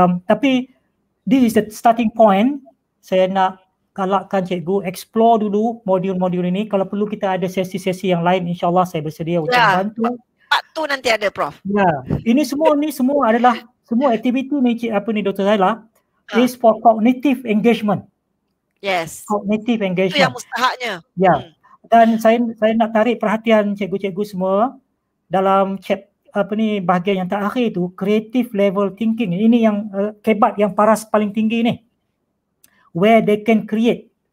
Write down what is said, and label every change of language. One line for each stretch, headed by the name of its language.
English: Tapi this is the starting point.
Malay: Saya nak galakkan cikgu explore dulu modul-modul ini. Kalau perlu kita ada sesi-sesi yang lain, insyaAllah saya bersedia untuk membantu. Part 2 nanti ada, Prof. Ini semua adalah semua aktiviti ni, Dr.
English: Zaila, is for cognitive engagement. Yes. Cognitive engagement.
Malay: Itu yang mustahaknya. Dan saya nak tarik perhatian cikgu-cikgu semua dalam bahagian yang terakhir itu,
English: creative level thinking.
Malay: Ini yang kebat, yang paras paling tinggi ni,
English: where they can create.